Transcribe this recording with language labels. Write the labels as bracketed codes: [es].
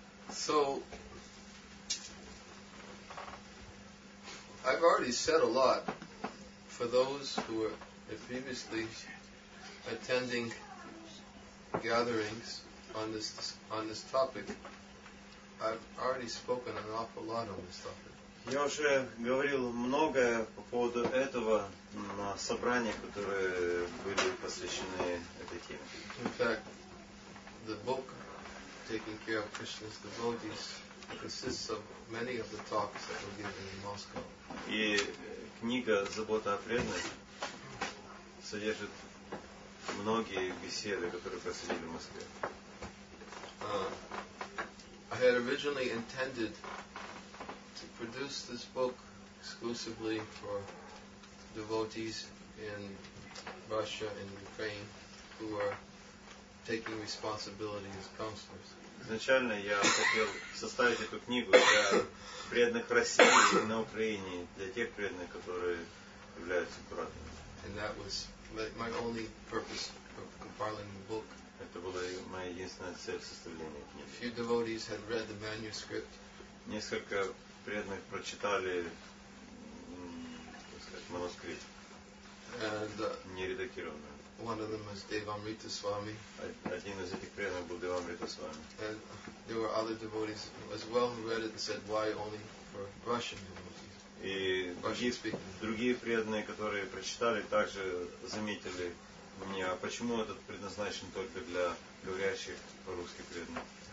[en] So I've already said a lot for those who were previously attending gatherings on this topic. I've already spoken an awful lot on this topic. [ru] Я уже говорил многое по поводу этого на собраниях, которые были посвящены этой теме. [en] In fact, the book Taking Care of Krishna's Devotees consists of many of the talks that were given in Moscow. [ru] И книга «Забота о преданных» содержит многие беседы, которые проходили в Москве. [en] I had originally intended produce this book exclusively for devotees in Russia and Ukraine who are taking responsibility as counselors. [ru] Изначально я хотел составить эту книгу для преданных в России и на Украине, для тех преданных, которые являются кураторами. [en] And that was my only purpose of compiling the book. [ru] Это была моя единственная цель составления книги. [en] A few devotees had read the manuscript. [ru] Несколько преданных прочитали, так сказать, манускрипт, не редактированный. [en] One of them was Devamrita Swami. [ru] Один из этих преданных был Девамрита Свами. [en] And there were other devotees as well who read it and said, why only for Russian devotees? [ru] И другие преданные, которые прочитали, также заметили мне, а почему этот предназначен только для говорящих по-русски преданных?